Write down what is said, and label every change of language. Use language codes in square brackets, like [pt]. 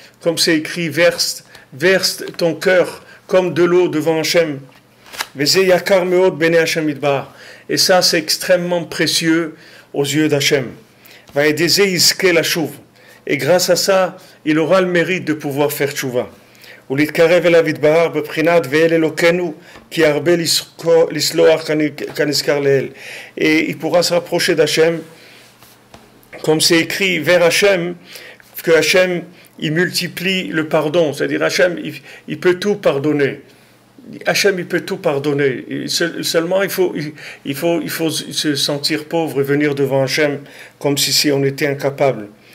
[fr] Comme c'est écrit, verse ton cœur comme de l'eau devant Hachem. [he] Veze yakar meod bnei Hachem yitbarach. [fr] Et ça, c'est extrêmement précieux aux yeux d'Hachem. [he] Vaedeze yizke lashuv. [fr] Et grâce à ça, il aura le mérite de pouvoir faire tshuva. [he] ולהתקרב אליו יתברר בבחינת ואל אלוקנו כי הרבה לסלוח כנזכר לאל. [fr] Et il pourra se rapprocher d'Hachem, comme c'est écrit, vers Hachem, que Hachem, il multiplie le pardon, c'est-à-dire Hachem, il peut tout pardonner. Hachem, il peut tout pardonner. Seulement, il faut se sentir pauvre et venir devant Hachem, comme si on était incapable.